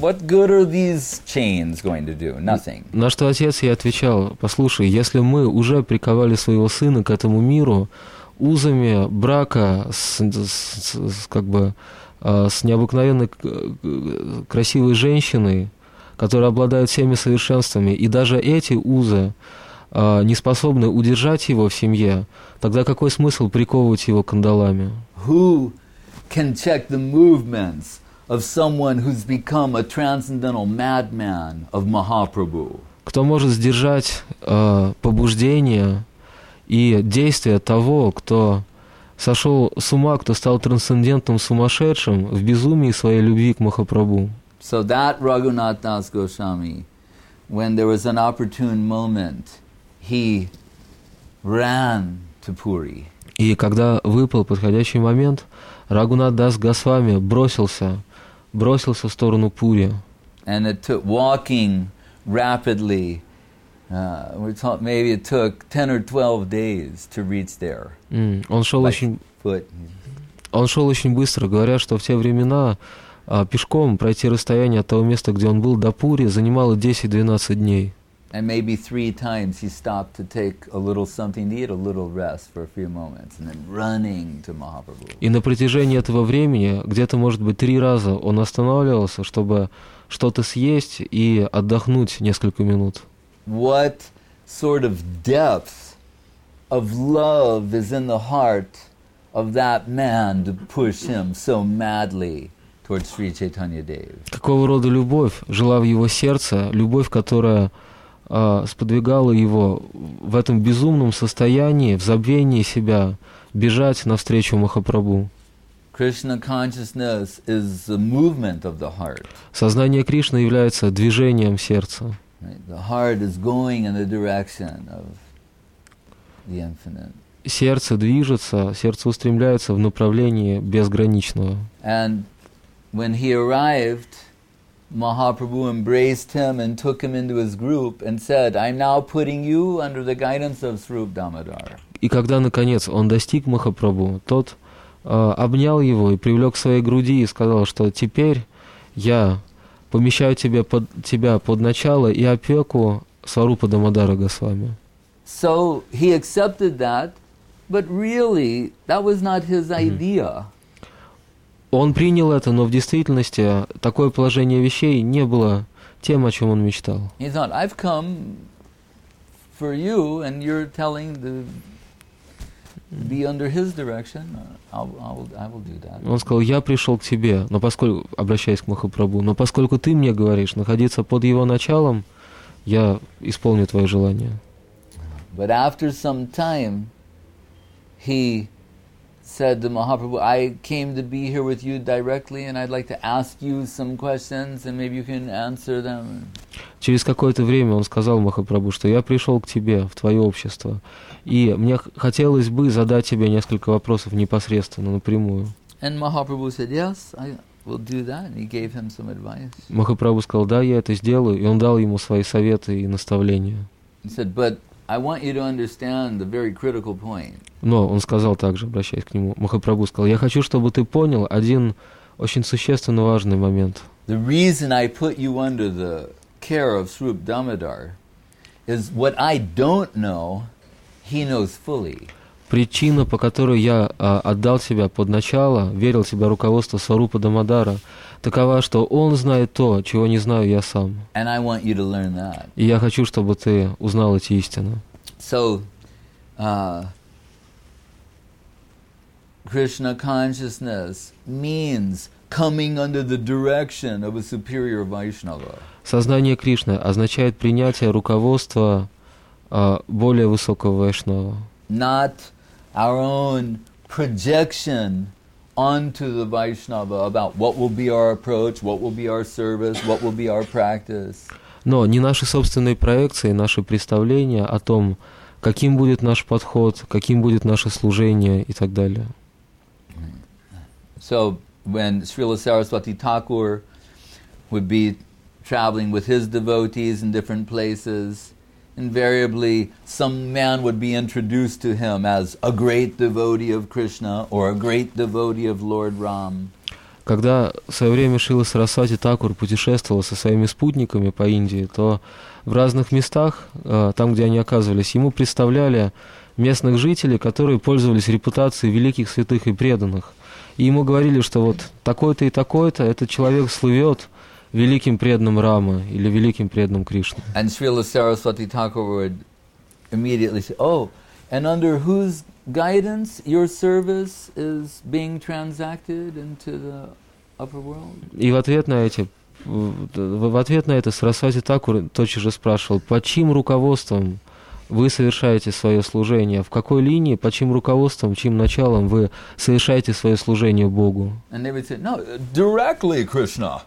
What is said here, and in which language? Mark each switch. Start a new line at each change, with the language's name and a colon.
English: What good are these chains going to do? Nothing.
Russian: На что отец ей отвечал: послушай, если мы уже приковали своего сына к этому миру узами брака с необыкновенно красивой женщиной, которая обладает всеми совершенствами, и даже эти узы не способны удержать его в семье, тогда какой смысл приковывать его кандалами?
English: Who can check the movements of someone who's become a transcendental madman of Mahaprabhu?
Russian: Кто может сдержать побуждение и действия того, кто сошел с ума, кто стал трансцендентным сумасшедшим в безумии своей любви к Махапрабху?
English: So that Raghunath Das Goswami, when there was an opportune moment, he ran to Puri.
Russian: И когда выпал подходящий момент, Рагунат Дас Госвами бросился в сторону Пури.
English: And it took walking rapidly. Maybe it took 10 or 12 days to reach there.
Russian: Он шел очень быстро, говоря, что в те времена пешком пройти расстояние от того места, где он был, до Пури, занимало 10-12 дней.
English: And maybe three times he stopped to take a little something to eat, a little rest for a few moments, and then running to Mahaprabhu.
Russian: И на протяжении этого времени где-то, может быть, три раза он останавливался, чтобы что-то съесть и отдохнуть несколько минут.
English: What sort of depth of love is in the heart of that man to push him so madly towards Sri Chaitanya Dev?
Russian: Какого рода любовь жила в его сердце, любовь, которая сподвигало его в этом безумном состоянии, в забвении себя, бежать навстречу Махапрабху.
English: Krishna consciousness is the movement of the heart.
Russian: Сознание Кришны является движением сердца.
English: The heart is going in the direction of the infinite.
Russian: Сердце движется, сердце устремляется в направлении безграничного.
English: And when he arrived, Mahaprabhu embraced him and took him into his group and said, "I'm now putting you under the guidance of Sroop Damodar."
Russian: И когда наконец он достиг Махапрабху, тот обнял его и привлек к своей груди и сказал, что теперь я помещаю тебя под начало и опеку Сварупа Дамодара Госвами.
English: So he accepted that, but really that was not his idea.
Russian: Он принял это, но в действительности такое положение вещей не было тем, о чем он мечтал.
English: He thought, I've come for you, and you're telling to be under his direction. I will do that.
Russian: Он сказал, я пришел к тебе, но поскольку, обращаясь к Махапрабху, но поскольку ты мне говоришь находиться под его началом, я исполню твое желание.
English: But after some time, he said to Mahaprabhu, I came to be here with you directly, and I'd like to ask you some questions, and maybe you can answer them.
Russian: Через какое-то время он сказал Махапрабху, что я пришел к тебе в твое общество, и мне хотелось бы задать тебе несколько вопросов непосредственно, напрямую.
English: And Mahaprabhu said, yes, I will do that, and he gave him some advice.
Russian: Махапрабху сказал, да, я это сделаю, и он дал ему свои советы и наставления.
English: He said, but I want you to understand the very critical point.
Russian: Но он сказал также, обращаясь к нему, Махапрабху сказал, я хочу, чтобы ты понял один очень существенно важный момент.
English: The reason I put you under the care of Sroop Damodar is what I don't know, he knows fully.
Russian: Причина, по которой я отдал тебя под начало, верил тебя руководство Сварупа Дамодара, такова, что он знает то, чего не знаю я сам.
English: And I want you to learn that.
Russian: И я хочу, чтобы ты узнал эти истины.
English: So, Krishna consciousness means coming under the direction of a superior Vaishnava.
Russian: Сознание Кришны означает принятие руководства более высокого Вайшнава.
English: Not our own projection onto the Vaishnava about what will be our approach, what will be our service, what will be our practice.
Russian: Но не наши собственные проекции, наши представления о том, каким будет наш подход, каким будет наше служение и так далее.
English: So when Srila Saraswati Thakur would be traveling with his devotees in different places, invariably some man would be introduced to him as a great devotee of Krishna or a great devotee of Lord Ram.
Russian: Когда в свое время Шрила Сарасвати Такур путешествовал со своими спутниками по Индии, то в разных местах, там, где они оказывались, ему представляли местных жителей, которые пользовались репутацией великих святых и преданных. И ему говорили, что вот такой-то и такой-то этот человек слывет великим преданным Рамы или великим преданным Кришны.
English: And Srila Saraswati Thakur would immediately say, oh, and under whose guidance your service is being transacted into the upper world?
Russian: И в ответ на это Сарасвати Такур тотчас же спрашивал, под чьим руководством вы совершаете свое служение, в какой линии, под чьим руководством, чьим началом вы совершаете свое служение Богу?
English: And they would say, no, directly, Krishna.